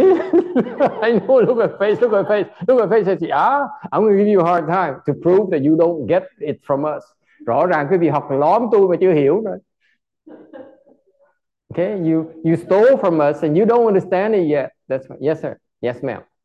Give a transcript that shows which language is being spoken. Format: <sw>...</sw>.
<en>I know, look at face, says, yeah, I'm gonna give you a hard time to prove that you don't get it from us.</en> <vi>Rõ ràng quý vị học lõm tôi mà chưa hiểu rồi.</vi> <en>Okay, you stole from us and you don't understand it yet. That's right. Yes, sir. Yes, ma'am.</en>